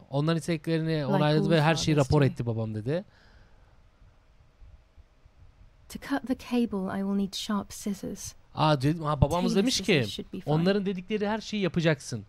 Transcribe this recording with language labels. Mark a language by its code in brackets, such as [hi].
[tr] Onların isteklerini onayladı ve her şeyi rapor etti babam dedi. [en] To cut the cable I will need sharp scissors. [tr] Babamız demiş ki onların dedikleri her şeyi yapacaksın.